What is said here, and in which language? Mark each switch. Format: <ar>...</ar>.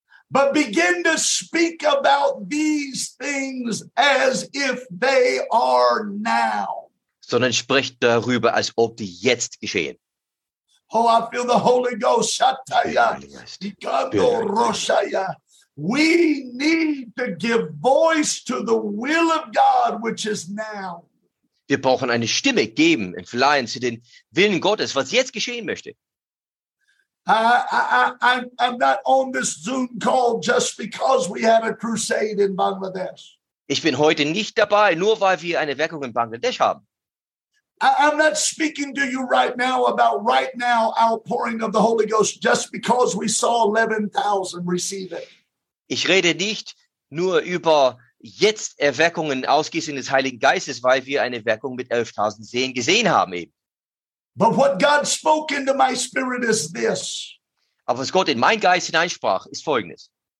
<en>But begin to speak about these things as if they are now.</en> <de>Sondern sprecht darüber, als ob die jetzt geschehen.</de> <en>Oh, I feel the Holy Ghost. Shataya, Dikando, Roshaya. We need to give voice to the will of God, which is now.</en> <de>Wir brauchen eine Stimme geben und verleihen zu den Willen Gottes, was jetzt geschehen möchte.</de> <en>I'm not on this Zoom call just because we had a crusade in Bangladesh.</en> <de>Ich bin heute nicht dabei, nur weil wir eine Erweckung in Bangladesch haben.</de> <en>I'm not speaking to you right now about right now outpouring of the Holy Ghost just because we saw 11,000 receive it.</en> <de>Ich rede nicht nur über jetzt Erweckungen, Ausgießung des Heiligen Geistes, weil wir eine Erweckung mit 11,000 Seelen gesehen haben eben.</de> <en>But what God spoke into my spirit is this.</en> <de>Aber was Gott in meinen Geist hineinsprach, ist Folgendes.</de>